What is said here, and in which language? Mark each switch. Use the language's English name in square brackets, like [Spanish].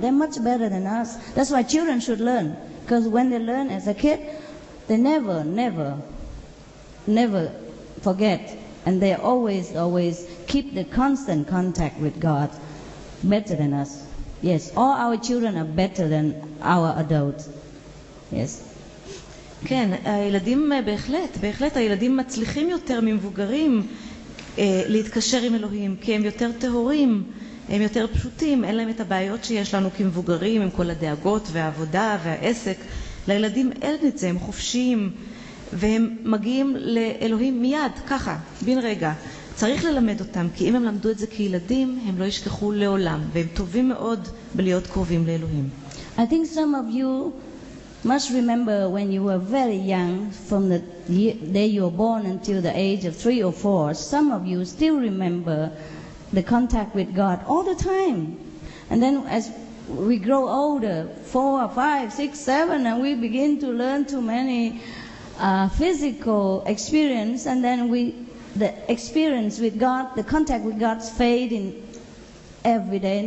[English] They're much better than us. That's why children should learn. Because when they learn as a kid, they never, never, never forget. And they always, always keep the constant contact with God. Better than us. Yes, all our children are better than our adults. Yes. [Hebrew] כן, הילדים בהחלט, בהחלט, הילדים מצליחים יותר ממבוגרים. להתקשר עם אלוהים, כי הם יותר טהורים, הם יותר פשוטים, אין להם את הבעיות שיש לנו כמבוגרים, עם כל הדאגות והעבודה והעסק. לילדים אין את זה, הם חופשיים, והם מגיעים לאלוהים מיד, ככה, בין רגע. צריך ללמד אותם, כי אם הם למדו את זה כילדים, הם לא ישכחו לעולם, והם טובים מאוד בלהיות קרובים לאלוהים. [English] I think some of you must remember when you were very young, from the day you were born until the age of 3 or 4, some of you still remember the contact with God all the time. And then as we grow older, 4, 5, 6, 7, and we begin to learn too many physical experience, and then the experience with God, the contact with God fades in every day.